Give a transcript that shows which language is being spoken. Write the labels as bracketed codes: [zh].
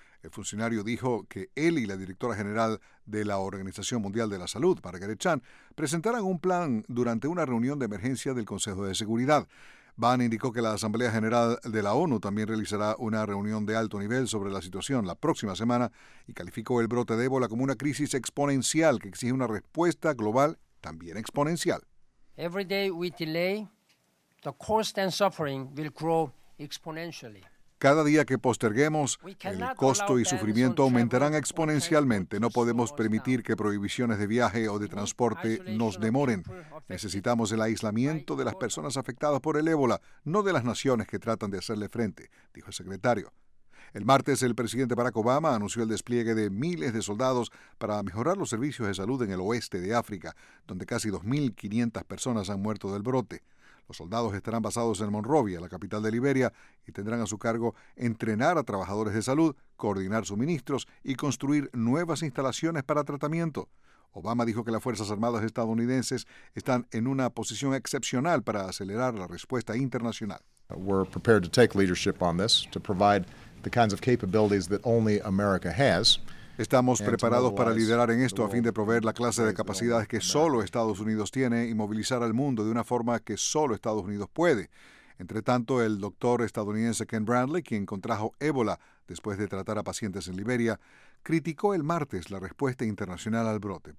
[es] El funcionario dijo que él y la directora general de la Organización Mundial de la Salud, Margaret Chan, presentarán un plan durante una reunión de emergencia del Consejo de Seguridad. Ban indicó que la Asamblea General de la ONU también realizará una reunión de alto nivel sobre la situación la próxima semana y calificó el brote de ébola como una crisis exponencial que exige una respuesta global también exponencial. [en] Every day we delay, the cost and suffering will grow exponentially. [es] Cada día que posterguemos, el costo y sufrimiento aumentarán exponencialmente. No podemos permitir que prohibiciones de viaje o de transporte nos demoren. Necesitamos el aislamiento de las personas afectadas por el ébola, no de las naciones que tratan de hacerle frente, dijo el secretario. El martes, el presidente Barack Obama anunció el despliegue de miles de soldados para mejorar los servicios de salud en el oeste de África, donde casi 2.500 personas han muerto del brote. Los soldados estarán basados en Monrovia, la capital de Liberia, y tendrán a su cargo entrenar a trabajadores de salud, coordinar suministros y construir nuevas instalaciones para tratamiento. Obama dijo que las Fuerzas Armadas estadounidenses están en una posición excepcional para acelerar la respuesta internacional. [en] We're prepared to take leadership on this, to provide the kinds of capabilities that only America has. [es] Estamos preparados para liderar en esto a fin de proveer la clase de capacidades que solo Estados Unidos tiene y movilizar al mundo de una forma que solo Estados Unidos puede. Entre tanto, el doctor estadounidense Ken Bradley, quien contrajo ébola después de tratar a pacientes en Liberia, criticó el martes la respuesta internacional al brote.